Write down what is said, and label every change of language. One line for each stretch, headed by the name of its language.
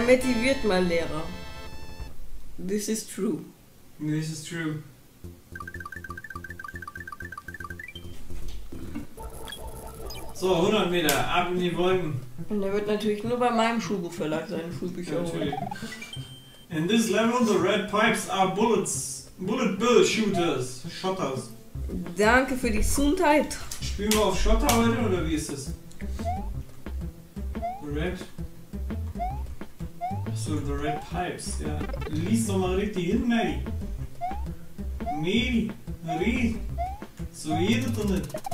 German: Ja, motiviert mein Lehrer.
English: This is true. This is true.
German: So, 100 Meter, ab in die Wolken. Und der wird natürlich nur bei meinem Schulbuchverlag seine Schulbücher holen. Natürlich.
English: In this level, the red pipes are bullets.
German: Bullet-Bill-Shooters. Schotters. Danke für die Gesundheit. Spielen wir auf Schotter heute, oder wie ist das?
English: Red? So, the red pipes,
German: ja. Lies doch mal richtig hin, Mary. Mary. So geht das doch nicht.